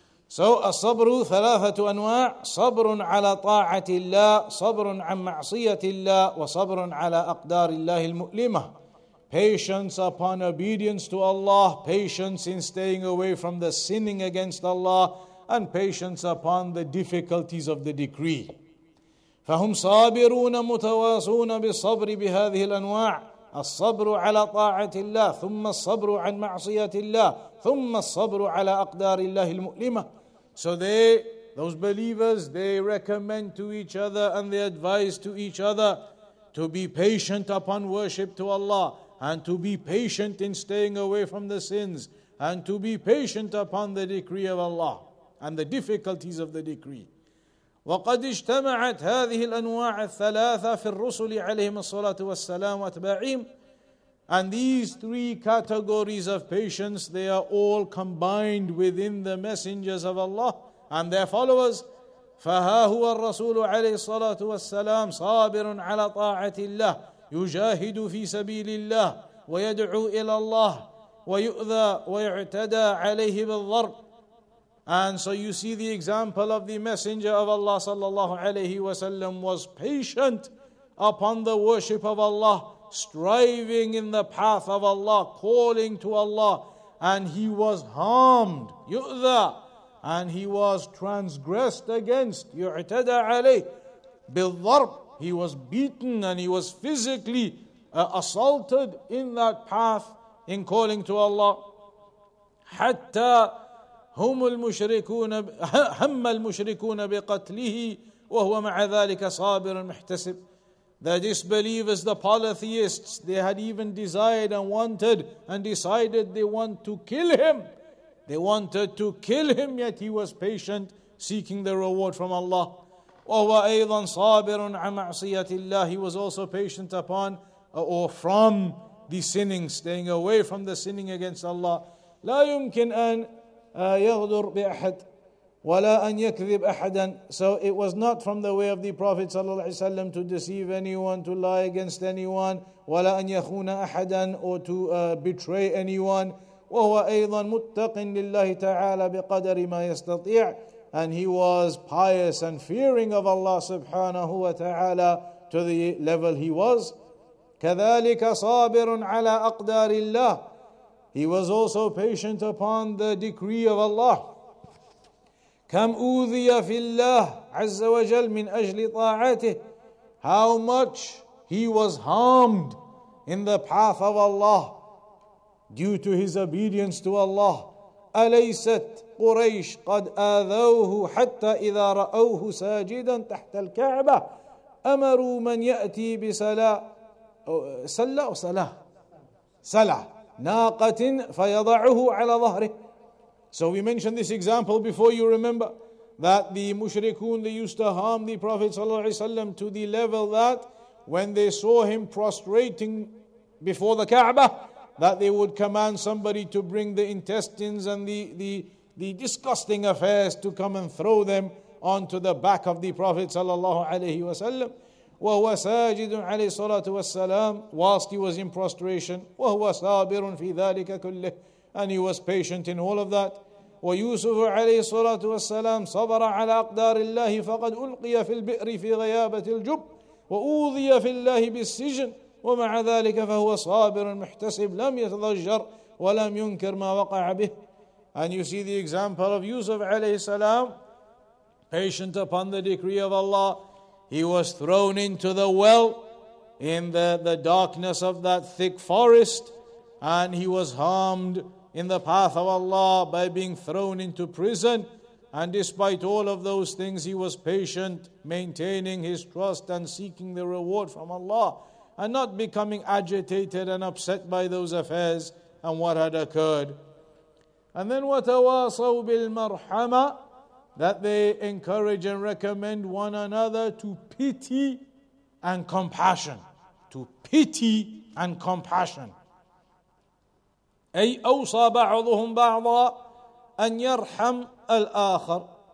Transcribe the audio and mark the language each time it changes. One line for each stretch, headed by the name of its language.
Arabic: So, الصبر ثلاثة أنواع. صبر على طاعة الله. صبر عن معصية الله. وصبر على أقدار الله المؤلمة.
English: Patience upon obedience to Allah. Patience in staying away from the sinning against Allah. And patience upon the difficulties of the decree.
Arabic: فهم صابرون متواصون بالصبر بهذه الأنواع. الصبر على طاعة الله ثم الصبر عن معصية الله ثم الصبر على أقدار الله المؤلمة.
English: So those believers, they recommend to each other and they advise to each other to be patient upon worship to Allah and to be patient in staying away from the sins and to be patient upon the decree of Allah and the difficulties of the decree.
Arabic: وقد اجتمعت هذه الأنواع الثلاثة في الرسل عليهم الصلاة والسلام وأتباعهم.
English: And these three categories of patience, they are all combined within the messengers of Allah and their followers.
Arabic: فها هو الرسول عليه الصلاة والسلام صابر على طاعة الله يجاهد في سبيل الله ويدعو إلى الله ويؤذى ويعتدى عليه بالضرب.
English: And so you see the example of the messenger of Allah sallallahu alayhi wa sallam was patient upon the worship of Allah, striving in the path of Allah, calling to Allah, and he was harmed, yu'dha, and he was transgressed against,
Arabic: yu'tada alayh, bil-dharb,
English: he was beaten and he was physically assaulted in that path in calling to Allah.
Arabic: Hatta هم المشركون هم المشركون بقتله وهو مع ذلك صابر محتسب.
English: The disbelievers, the polytheists, they had even desired and wanted and decided they want to kill him. They wanted to kill him, yet he was patient, seeking the reward from Allah.
Arabic: وهو أيضا صابر عن معصية الله.
English: He was also patient upon or from the sinning, staying away from the sinning against Allah.
Arabic: لا يمكن أن يغدر بأحد ولا أن يكذب أحدا.
English: So it was not from the way of the Prophet صلى الله عليه وسلم to deceive anyone, to lie against anyone,
Arabic: ولا أن يخون أحدا
English: or to betray anyone.
Arabic: وهو أيضا متق لله تعالى بقدر ما يستطيع.
English: And he was pious and fearing of Allah سبحانه وتعالى to the level he was.
Arabic: كذلك صابر على أقدار الله.
English: He was also patient upon the decree of Allah.
Arabic: كم أوذي في الله عز وجل من أجل طاعته.
English: How much he was harmed in the path of Allah due to his obedience to Allah.
Arabic: أليست قريش قد آذوه حتى إذا رأوه ساجدا تحت الكعبة أمروا من يأتي بسلا سلا أو سلا سلا ناقة فيضعه على ظهره.
English: So we mentioned this example before, you remember, that the mushrikun, they used to harm the Prophet ﷺ to the level that when they saw him prostrating before the Kaaba, that they would command somebody to bring the intestines and the disgusting affairs to come and throw them onto the back of the Prophet ﷺ.
Arabic: وهو ساجد عليه الصلاة والسلام
English: whilst he was in prostration.
Arabic: وهو صابر في ذلك كله.
English: And he was patient in all of that.
Arabic: ويوسف عليه الصلاة والسلام صبر على أقدار الله فقد ألقي في البئر في غيابة الجب وأوذي في الله بالسجن ومع ذلك فهو صابر محتسب لم يتضجر ولم ينكر ما وقع به.
English: And you see the example of Yusuf alayhi salam, patient upon the decree of Allah. He was thrown into the well in the darkness of that thick forest, and he was harmed in the path of Allah by being thrown into prison. And despite all of those things, he was patient, maintaining his trust and seeking the reward from Allah, and not becoming agitated and upset by those affairs and what had occurred. And then
Arabic: وَتَوَاصَوْا بِالْمَرْحَمَةِ,
English: that they encourage and recommend one another to pity and compassion. To pity and compassion.
Arabic: أي أوصى بعضهم بعضا أن يرحم الآخر.